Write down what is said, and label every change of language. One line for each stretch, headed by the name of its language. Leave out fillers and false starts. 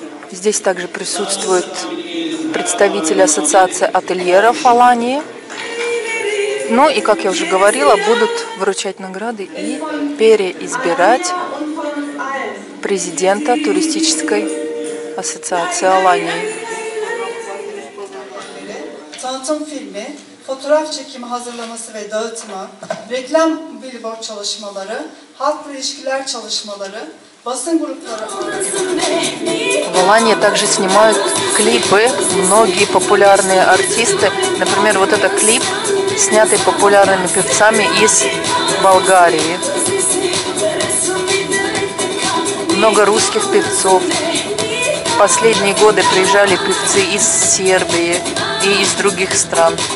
Russian: Здесь также присутствуют представители ассоциации ательеров Алании. Ну и, как я уже говорила, будут вручать награды и переизбирать президента туристической ассоциации Алании.
Turkish: Tanıtım filmi, fotoğraf çekimi hazırlaması ve dağıtımı, reklam billboard çalışmaları, halk ilişkiler çalışmaları, basın grupları.
Russian: В Алании также снимают клипы многие популярные артисты. Например, вот этот клип, снятый популярными певцами из Болгарии. Много русских певцов. В последние годы приезжали певцы из Сербии и из других стран.